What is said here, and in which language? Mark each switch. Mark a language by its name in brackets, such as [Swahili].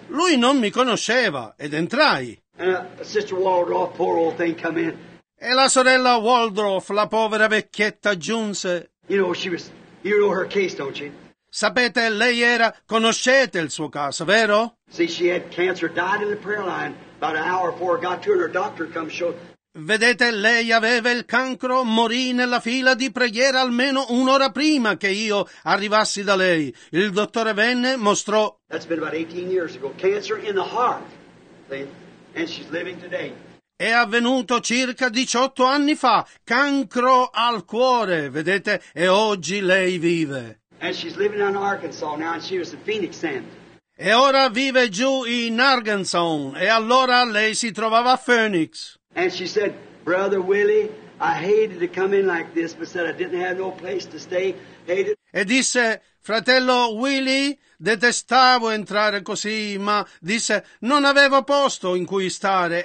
[Italian] Lui non mi conosceva, ed entrai. [English] And Sister Waldorf, poor old thing, come in. [Italian] E la sorella Waldorf, la povera vecchietta, giunse. [English] You know, she was... You know her case, don't you? [Italian] Sapete, lei era, conoscete il suo caso, vero? [English] See, she had cancer, died in the prayer line about an hour before I got to her, and her doctor comes show. [Italian] Vedete, lei aveva il cancro, morì nella fila di preghiera almeno un'ora prima che io arrivassi da lei. Il dottore venne, mostrò. [English] That's been about 18 years ago. Cancer in the heart. and she's living today. [Italian] È avvenuto circa 18 anni fa, cancro al cuore, vedete, e oggi lei vive. [English] And she's living in Arkansas now, and she was in Phoenix then. [Italian] E ora vive giù in Arkansas, e allora lei si trovava a Phoenix. [English] And she said, Brother Willie, I hated to come in like this, but said I didn't have no place to stay. Hated. [Italian] E disse, fratello Willie, detestavo entrare così, ma disse, non avevo posto in cui stare.